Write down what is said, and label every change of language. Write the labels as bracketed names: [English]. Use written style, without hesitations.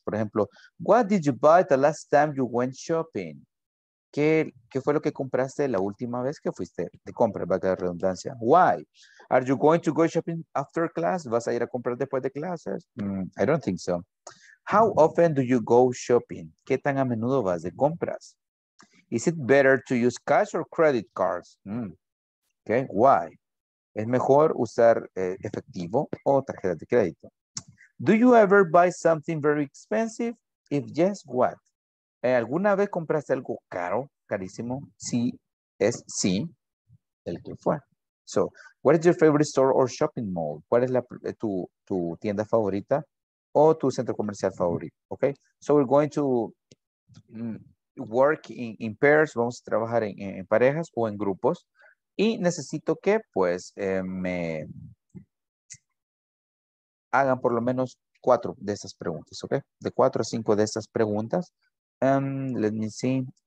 [Spanish] Por ejemplo, [English] what did you buy the last time you went shopping? [Spanish] ¿Qué fue lo que compraste la última vez que fuiste de compra? Valga la redundancia. [English] Why? Are you going to go shopping after class? [Spanish] ¿Vas a ir a comprar después de clases? [English] I don't think so. How often do you go shopping? [Spanish] ¿Qué tan a menudo vas de compras? [English] Is it better to use cash or credit cards? Okay. Why? [Spanish] ¿Es mejor usar efectivo o tarjeta de crédito? [English] Do you ever buy something very expensive? If yes, what? [Spanish] ¿Alguna vez compraste algo caro, carísimo? Si es sí, el que fue. [English] So, what is your favorite store or shopping mall? [Spanish] ¿Cuál es tu tienda favorita o tu centro comercial favorito? Okay. [English] So, we're going to work in pairs. [Spanish] Vamos a trabajar en parejas o en grupos. Y necesito que, pues, me hagan por lo menos cuatro de esas preguntas, ¿ok? De cuatro a cinco de esas preguntas. [English] Let me see.